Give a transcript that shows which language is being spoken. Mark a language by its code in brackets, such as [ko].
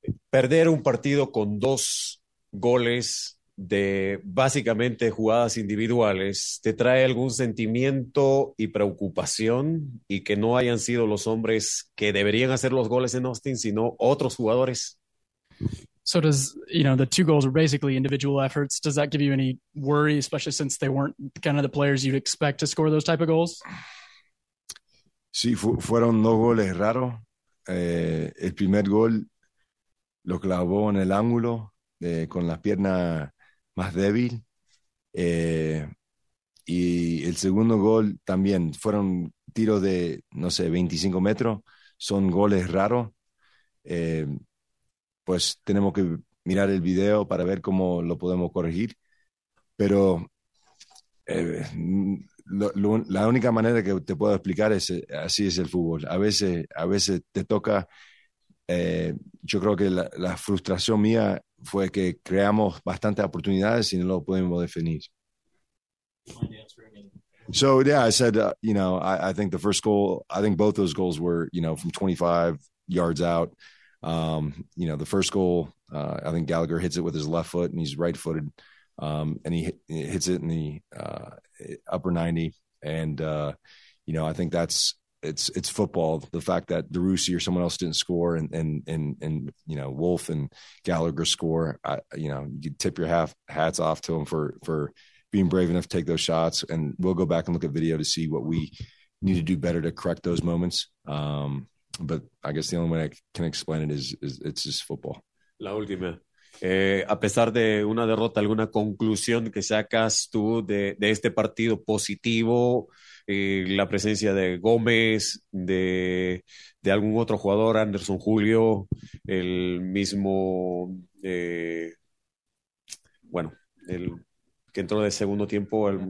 [es] Perder un partido con dos goles de básicamente jugadas individuales, ¿te trae algún sentimiento y preocupación y que no hayan sido los hombres que deberían hacer los goles en Austin, sino otros jugadores? [en] So does, the two goals are basically individual efforts. Does that give you any worry, especially since they weren't kind of the players you'd expect to score those type of goals? [es] Sí, fueron dos goles raros. El primer gol lo clavó en el ángulo con la pierna más débil. Y el segundo gol también fueron tiros de, 25 metros. Son goles raros. Pues tenemos que mirar el video para ver cómo lo podemos corregir. Pero la única manera que te puedo explicar es así es el fútbol. A veces te toca, yo creo que la frustración mía fue que creamos bastantes oportunidades y no lo pudimos definir. [en] So, yeah, I said, I think the first goal, I think both those goals were, from 25 yards out. The first goal, I think Gallagher hits it with his left foot and he's right footed. And he hits it in the, upper 90. And, I think it's football. The fact that DeRussi or someone else didn't score and Wolf and Gallagher score, you tip your hats off to them for being brave enough to take those shots. And we'll go back and look at video to see what we need to do better to correct those moments. But I guess the only way I can explain it is it's just football. [es] La última. A pesar de una derrota, ¿alguna conclusión que sacas tú de este partido positivo? La presencia de Gómez, de algún otro jugador, Anderson Julio, el mismo, el que entró de segundo tiempo.